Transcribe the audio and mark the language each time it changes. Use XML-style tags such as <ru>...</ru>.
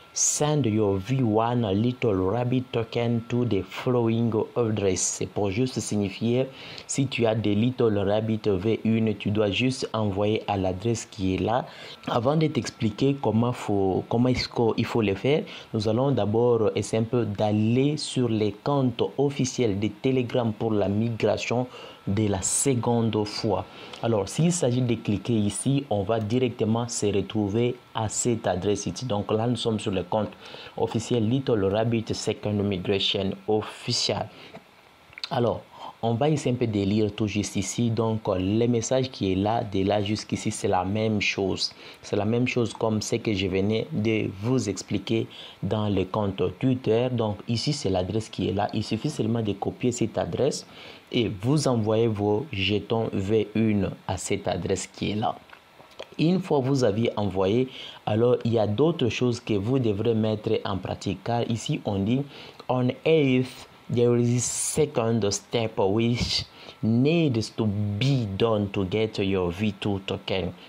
<en>Send your V1 Little Rabbit token to the following address.</en> <fr>C'est pour juste signifier, si tu as des Little Rabbit V1, tu dois juste envoyer à l'adresse qui est là. Avant de t'expliquer comment il faut le faire, nous allons d'abord essayer un peu d'aller sur les comptes officiels de Telegram pour la migration de la seconde fois. Alors, s'il s'agit de cliquer ici, on va directement se retrouver à cette adresse ici. Donc là, nous sommes sur le compte officiel Little Rabbit Second Migration Official. Alors, on va essayer un peu de lire tout juste ici. Donc, le message qui est là, de là jusqu'ici, c'est la même chose. C'est la même chose comme ce que je venais de vous expliquer dans le compte Twitter. Donc, ici, c'est l'adresse qui est là. Il suffit seulement de copier cette adresse et vous envoyez vos jetons V1 à cette adresse qui est là. Une fois que vous avez envoyé, alors il y a d'autres choses que vous devrez mettre en pratique. Car ici, on dit «</fr> <en>On eighth, there is a second step which needs to be done to get your V2 token.</en>